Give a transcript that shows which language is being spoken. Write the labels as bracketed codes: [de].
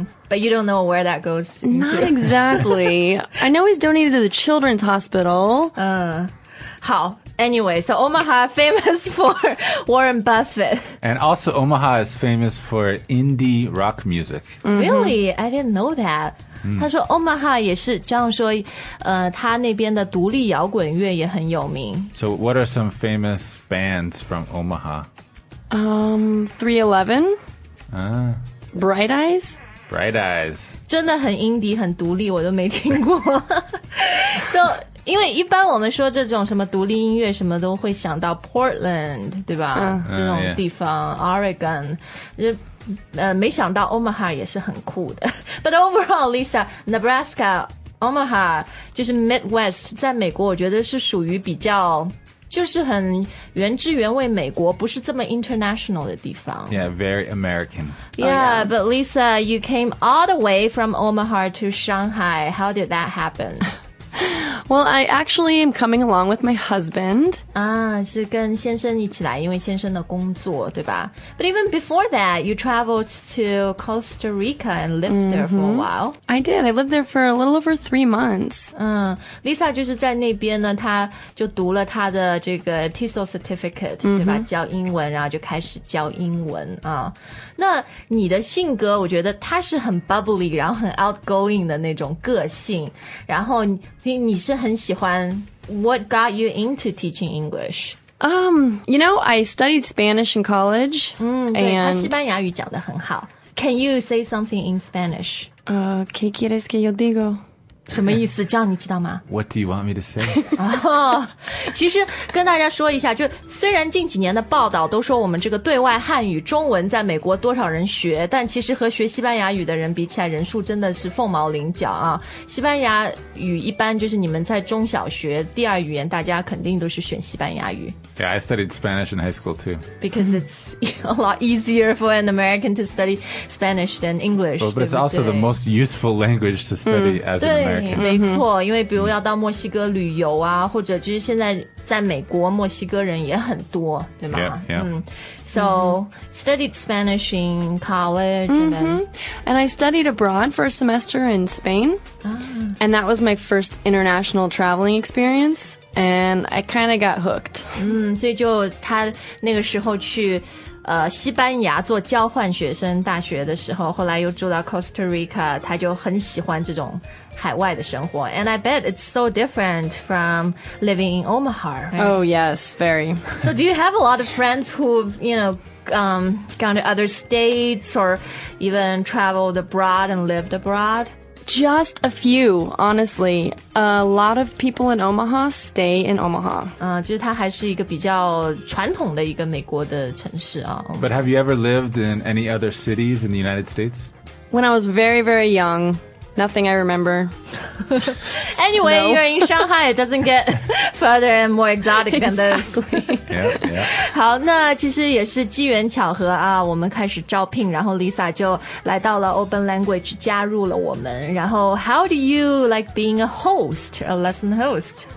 [en] But you don't know where that goes. Not exactly. I know he's donated to the children's hospital. 好 Anyway, so Omaha famous for Warren Buffett. And also Omaha is famous for indie rock music. Really? I didn't know that. [zh] 他说 Omaha 也是这样说他那边的独立摇滚乐也很有名。 [en] So what are some famous bands from Omaha? 311. Bright Eyes. Bright Eyes. [zh] 真的很 indie, 很独立我都没听过。 [en] So... [zh] 因为一般我们说这种什么独立音乐什么都会想到 Portland, 对吧、这种地方、Oregon, 没想到 Omaha 也是很酷的。 [en] But overall, [zh] Lisa, Nebraska, Omaha, 就是 Midwest, 在美国我觉得是属于比较就是很原汁原味美国不是这么 international 的地方。 [en] Yeah, very American. Yeah, but Lisa, you came all the way from Omaha to Shanghai. How did that happen? Well, I actually am coming along with my husband. [zh] 是跟先生一起来，因为先生的工作，对吧？ [en] But even before that, you traveled to Costa Rica and lived there for a while. I did. I lived there for a little over 3 months. [zh] Lisa 就是在那边呢，她就读了她的这个 TESOL certificate, 对吧？教英文，然后就开始教英文啊。那你的性格，我觉得他是很 bubbly, 然后很 outgoing 的那种个性，然后你是很喜欢 [en] What got you into teaching English? You know, I studied Spanish in college. [zh] 对，他西班牙语讲得很好。 [en] Can you say something in Spanish? [es] ¿Qué quieres que yo digo? [zh] 什么意思？这样你知道吗 [en] ？What do you want me to say? [zh] 其实跟大家说一下，就虽然近几年的报道都说我们这个对外汉语中文在美国多少人学，但其实和学西班牙语的人比起来，人数真的是凤毛麟角啊。西班牙语一般就是你们在中小学第二语言，大家肯定都是选西班牙语。 [en] Yeah, I studied Spanish in high school too. Because it's a lot easier for an American to study Spanish than English. But it's also the most useful language to study as an American. American. [zh] 没错，因为比如要到墨西哥旅游啊，或者就是现在在美国墨西哥人也很多，对吗？ [en] Yeah, yeah. So, studied Spanish in college, and then... And I studied abroad for a semester in Spain. And that was my first international traveling experience. And I kind of got hooked. [zh] 所以就他那个时候去西班牙做交换学生大学的时候，后来又住到 Costa Rica, 他就很喜欢这种海外的生活。 [en] And I bet it's so different from living in Omaha, right? Oh, yes, very. So do you have a lot of friends who've, you know, gone to other states or even traveled abroad and lived abroad? Just a few, honestly. A lot of people in Omaha stay in Omaha. [zh] 就是它还是一个比较传统的一个美国的城市啊。 [en] But have you ever lived in any other cities in the United States? When I was very, very young... Nothing I remember. Anyway, no. You're in Shanghai. It doesn't get further and more exotic than this. Yeah, yeah. [zh] 好，那其实也是机缘巧合啊。我们开始招聘，然后 Lisa 就来到了 Open Language 加入了我们。然后 [en] How do you like being a host, a lesson host?